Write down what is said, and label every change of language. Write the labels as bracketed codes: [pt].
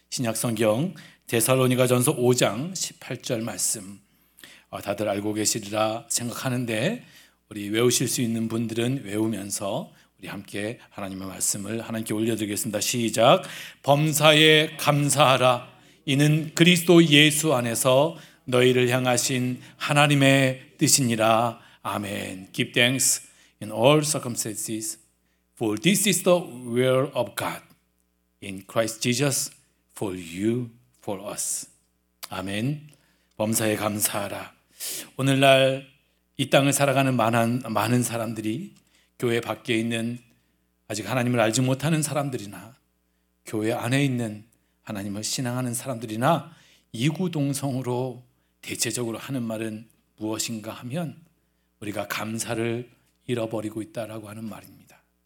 [ko] 신약성경 데살로니가전서 5장 18절 말씀 다들 알고 계시리라 생각하는데 우리 외우실 수 있는 분들은 외우면서 우리 함께 하나님의 말씀을 하나님께 올려드리겠습니다. 시작! 범사에 감사하라. 이는 그리스도 예수 안에서 너희를 향하신 하나님의 뜻이니라. 아멘. [en] Give thanks in all circumstances, for this is the will of God in Christ Jesus for you, for us. [ko] 아멘. 범사에 감사하라. 오늘날 이 땅을 살아가는 많은 사람들이 교회 밖에 있는 아직 하나님을 알지 못하는 사람들이나 교회 안에 있는 하나님을 신앙하는 사람들이나 이구동성으로 대체적으로 하는 말은 무엇인가 하면 우리가 감사를 잃어버리고 있다라고 하는 말입니다.